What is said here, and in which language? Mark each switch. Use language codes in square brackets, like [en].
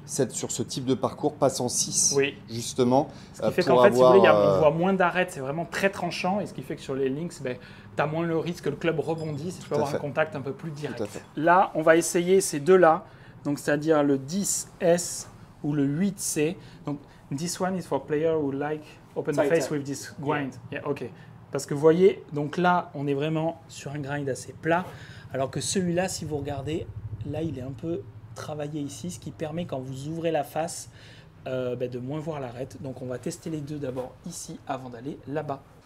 [fr] 7 sur ce type de parcours, passent en 6, oui, justement. Ce qui fait qu'en fait, si vous voulez, on voit moins d'arêtes, c'est vraiment très tranchant. Et ce qui fait que sur les links, ben, tu as moins le risque que le club rebondisse et tu peux avoir fait un contact un peu plus direct. Tout à fait. Là, on va essayer ces deux-là, donc c'est-à-dire le 10S ou le 8C. [en] Donc, this one is for player who like open the face with this grind. Yeah. Yeah, okay. [fr] Parce que vous voyez, donc là, on est vraiment sur un grind assez plat. Alors que celui-là, si vous regardez, là, il est un peu travailler ici, ce qui permet quand vous ouvrez la face de moins voir l'arête. Donc on va tester les deux d'abord ici avant d'aller là-bas.